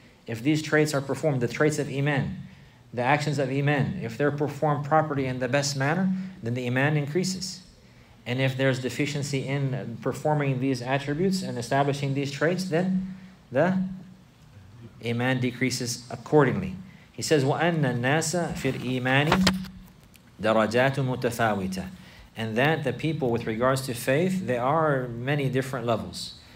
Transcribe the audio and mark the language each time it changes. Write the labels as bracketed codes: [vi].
[en] If these traits are performed, the traits of Iman, the actions of Iman, if they're performed properly in the best manner, then the Iman increases. And if there's deficiency in performing these attributes and establishing these traits, then the Iman decreases accordingly. He says, [ar] وَأَنَّ النَّاسَ فِي الْإِيمَانِ دَرَجَاتٌ مُتَثَاوِتَةٌ. [en] And that the people with regards to faith, there are many different levels.